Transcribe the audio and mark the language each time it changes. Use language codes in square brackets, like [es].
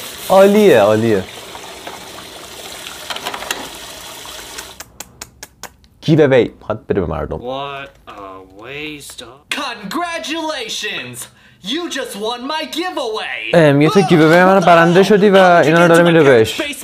[fa] عالیه عالیه. گیو اوی میخواد بده به مردم. [en] What a waste of... Congratulations! You just won my giveaway. [fa] میگه تو گیو اوی منو برنده شدی و اینا رو داره میده بهش.